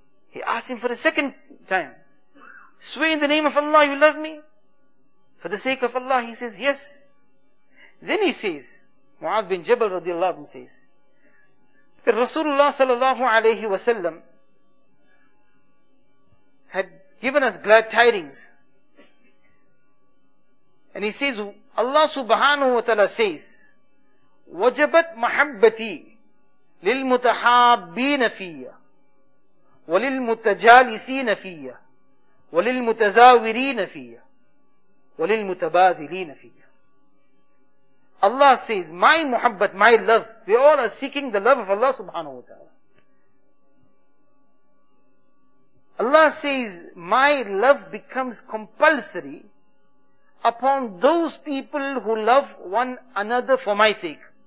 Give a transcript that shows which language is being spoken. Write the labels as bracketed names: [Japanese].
[English] He asked him for the second time, swear in the name of Allah, you love me? For the sake of Allah, he says, yes. Then he says, Mu'az bin Jabal radiallahu ta'ala says, that Rasulullah sallallahu alayhi wa sallam had given us glad tidings. And he says, Allah subhanahu wa ta'ala says, [Arabic] وَجَبَتْ مَحَبَّتِي لِلْمُتَحَابِّينَ فِيَّ وَلِلْمُتَجَالِسِينَ فِيَّ وَلِلْمُتَزَاوِرِينَ فِيَّ وَلِلْمُتَبَادِلِينَ فِيَّ. [English] Allah says, my muhabbat, my love, we all are seeking the love of Allah subhanahu wa ta'ala. Allah says, my love becomes compulsory upon those people who love one another for my sake.